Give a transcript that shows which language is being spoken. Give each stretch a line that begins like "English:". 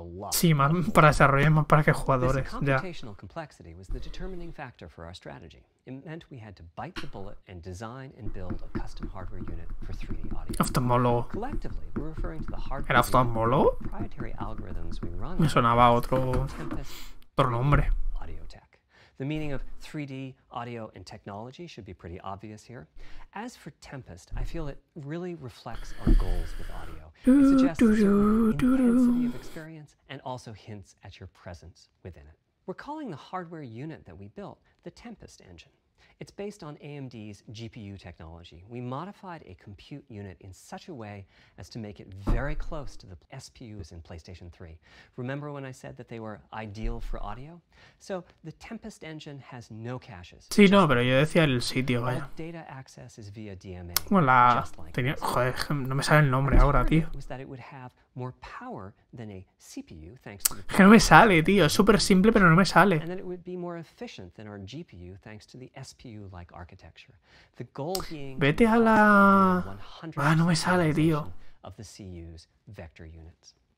Spanish: Sí, más para desarrollar, más para que jugadores.
English: Computational complexity was the determining factor for our strategy. It meant we had to bite the bullet and design and build a custom hardware unit for 3D audio.
Spanish: Oftalmólogo.
English: Collectively, we're referring to the hardware.
Spanish: ¿Era oftalmólogo?
English: Proprietary algorithms we run.
Spanish: Me sonaba otro nombre.
English: The meaning of 3D audio and technology should be pretty obvious here. As for Tempest, I feel it really reflects our goals with audio. It suggests intensity of experience and also hints at your presence within it. We're calling the hardware unit that we built the Tempest engine. It's based on AMD's GPU technology. We modified a compute unit in such a way as to make it very close to the SPUs in PlayStation 3. Remember when I said that they were ideal for audio? So the Tempest engine has no caches.
Spanish: Sí, no, pero yo decía el sitio, vaya.
English: All data access is via DMA.
Spanish: Hola. Tenía, joder, no me sale el nombre ahora, tío.
English: Was that it would have more power than a CPU, thanks to
Spanish: que no me sale, tío. Es súper simple, pero no me sale.
English: And that it would be more efficient than our GPU, thanks to the SPU-like architecture. The goal being
Spanish: vete a la... Ah, no me sale, tío.
English: Of the CU's vector units.